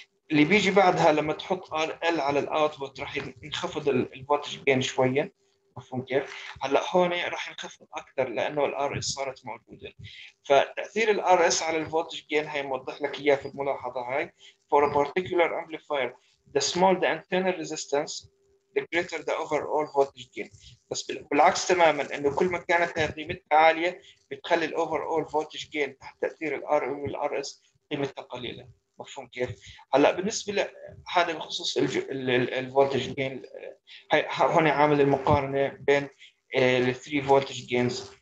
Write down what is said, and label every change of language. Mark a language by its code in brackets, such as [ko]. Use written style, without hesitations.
[ar] اللي بيجي بعدها لما تحط RL على الـ Output راح ينخفض الـ Voltage Gain شوية. مفهوم كيف؟ هلا هون راح ينخفض اكثر لانه الار اس صارت موجوده. فتاثير الار اس على الفولتج جين هي موضح لك اياه في الملاحظه هاي. [en] For a particular amplifier the smaller the antenna resistance, the greater the overall voltage gain. [ar] بس بالعكس تماما انه كل ما كانت قيمتها عالية بتخلي الـ overall voltage gain تحت تأثير الـ R والـ RS قيمتها قليلة. مفهوم كيف؟ هلا بالنسبة لهذا بخصوص الـ voltage gain، هون عامل المقارنة بين الـ 3 voltage gains.